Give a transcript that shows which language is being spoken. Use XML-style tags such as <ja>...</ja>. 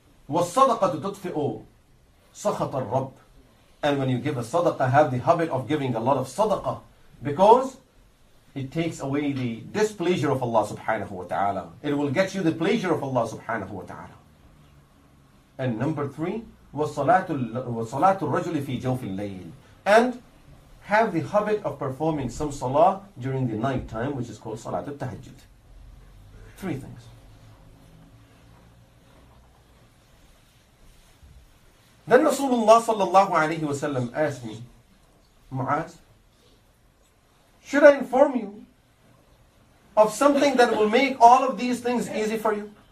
<ar>وَالصَّدَقَةُ تُطْفِئُ سَخَطَ الرَّبِّ.</ar> <en>And when you give a sadaqah, have the habit of giving a lot of sadaqah, because it takes away the displeasure of Allah subhanahu wa ta'ala. It will get you the pleasure of Allah subhanahu wa ta'ala. And number three,</en> <ar>وَصَلَاتُ الرَّجُلِ فِي جَوْفِ اللَّيْلِ.</ar> <en>And have the habit of performing some salah during the night time, which is called Salatul Tahajjud. Three things. Then Rasulullah sallallahu alayhi wa sallam asked me, Mu'az, should I inform you of something that will make all of these things easy for you?</en>